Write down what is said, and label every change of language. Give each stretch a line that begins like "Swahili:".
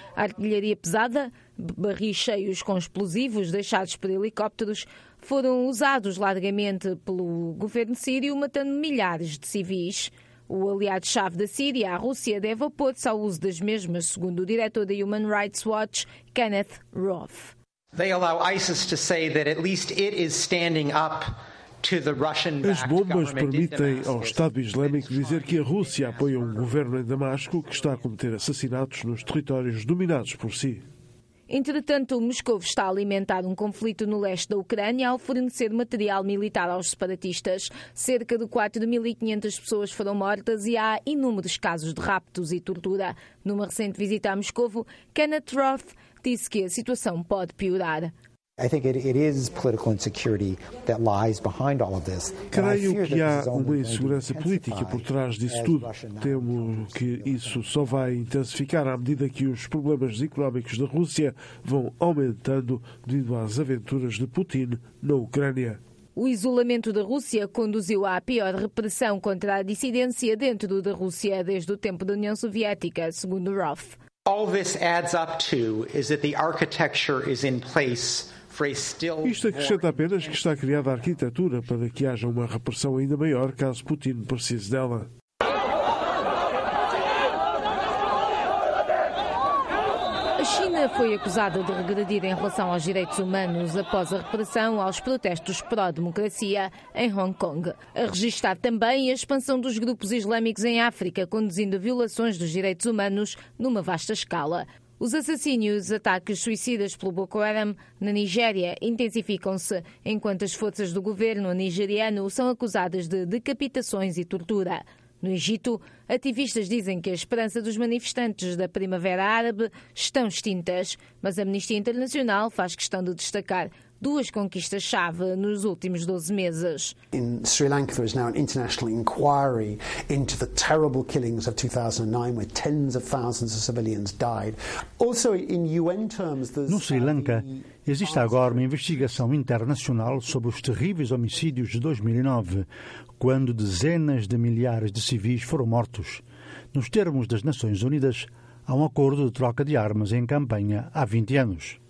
Portuguese: A artilharia pesada, barris cheios com explosivos deixados por helicópteros, foram usados largamente pelo governo sírio, matando milhares de civis. O aliado-chave da Síria, a Rússia, deve opor-se ao uso das mesmas, segundo o diretor da Human Rights Watch, Kenneth Roth.
English: They allow ISIS to say that at least it is standing up.
Portuguese: As bombas permitem ao Estado Islâmico dizer que a Rússia apoia um governo em Damasco que está a cometer assassinatos nos territórios dominados por si. Entretanto, Moscou está a alimentar um conflito no leste da Ucrânia ao fornecer material militar aos separatistas. Cerca de 4.500 pessoas foram mortas e há inúmeros casos de raptos e tortura. Numa recente visita a Moscou, Kenneth Roth disse que a situação pode piorar.
English: I think it is political insecurity that lies behind all of this.
Portuguese: Creio que há uma insegurança política por trás disso tudo. Temo que isso só vai intensificar à medida que os problemas económicos da Rússia vão aumentando devido às aventuras de Putin na Ucrânia. O isolamento da Rússia conduziu à pior repressão contra a dissidência dentro da Rússia desde o tempo da União Soviética, segundo Roth.
English: All this adds up to is that the architecture is in place.
Portuguese: Isto acrescenta apenas que está criada a arquitetura para que haja uma repressão ainda maior caso Putin precise dela. A China foi acusada de regredir em relação aos direitos humanos após a repressão aos protestos pró-democracia em Hong Kong. A registar também a expansão dos grupos islâmicos em África, conduzindo a violações dos direitos humanos numa vasta escala. Os assassínios, ataques suicidas pelo Boko Haram na Nigéria intensificam-se, enquanto as forças do governo nigeriano são acusadas de decapitações e tortura. No Egito, ativistas dizem que a esperança dos manifestantes da Primavera Árabe estão extintas, mas a Amnistia Internacional faz questão de destacar duas conquistas-chave nos últimos 12 meses.
English: In Sri Lanka, there is now an international inquiry into the terrible killings of 2009, where tens of thousands of civilians died. Also, in UN terms, there's...
Portuguese: No Sri Lanka, existe agora uma investigação internacional sobre os terríveis homicídios de 2009, quando dezenas de milhares de civis foram mortos. Nos termos das Nações Unidas, há um acordo de troca de armas em campanha há 20 anos.